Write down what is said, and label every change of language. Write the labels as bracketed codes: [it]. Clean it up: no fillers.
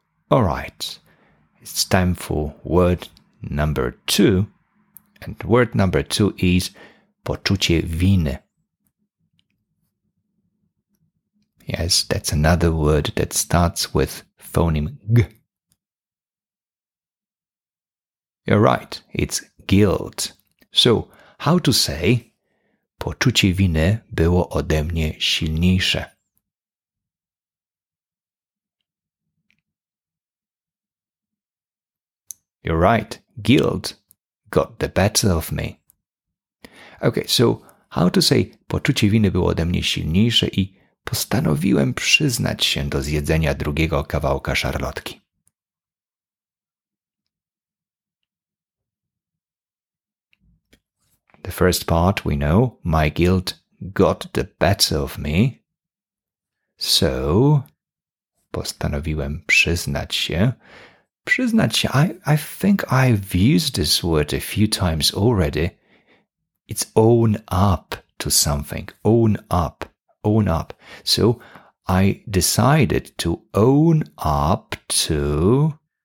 [en] All right, it's time for word number two, and word number two is poczucie winy. Yes, that's another word that starts with phoneme g. You're right, it's guilt. So, how to say [pl] poczucie winy było ode mnie silniejsze? [en] You're right. Guilt got the better of me. Okay, so how to say [pl] poczucie winy było ode mnie silniejsze i postanowiłem przyznać się do zjedzenia drugiego kawałka szarlotki. [en] The first part we know, my guilt got the better of me. [pl] So, postanowiłem przyznać się. Przyznać się, [en] I think I've used this word a few times already. It's own up to something. Own up. Own up. So, I decided to own up to...